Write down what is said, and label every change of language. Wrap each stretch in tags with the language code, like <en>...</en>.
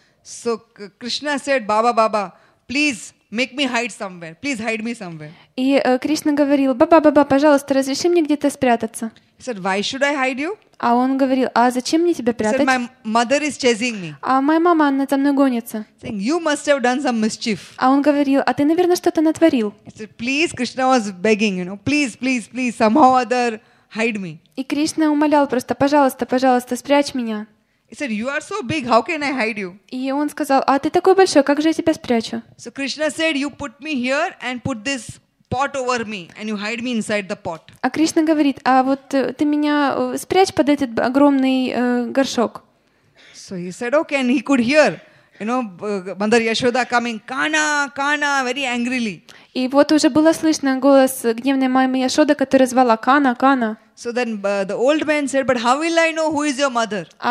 <en>So Krishna said, Baba, Baba, please make me hide somewhere. Please hide me somewhere.</en> <ru>И Кришна говорил, Баба, пожалуйста, разреши мне где-то спрятаться.</ru> <en>He said, Why should I hide you?</en> <ru>А он говорил, а зачем мне тебя прятать?</ru> <en>He said, My mother is chasing me.</en> <ru>А моя мама, она за мной гонится.</ru> <en>Saying, You must have done some mischief.</en> <ru>А он говорил, а ты, наверное, что-то натворил.</ru> <en>He said, Please, Krishna was begging, you know, please, somehow other hide me.</en> <ru>И Кришна умолял просто, пожалуйста, спрячь меня.</ru> <en>He said, "You are so big. How can I hide you?"</en> <ru>И он сказал, а ты такой большой, как же я тебя спрячу?</ru> <en>So Krishna said, "You put me here and put this pot over me, and you hide me inside the pot."</en> <ru>А Кришна говорит, а вот ты меня спрячь под этот огромный горшок.</ru> <en>So he said, "Okay," and he could hear, you know, Mother Yashoda coming, "Kana," very angrily.</en> <ru>И вот уже было слышно голос гневной мамы Яшоды, которая звала Кана.</ru> <en>So then the old man said, "But how will I know who is your mother?"</en>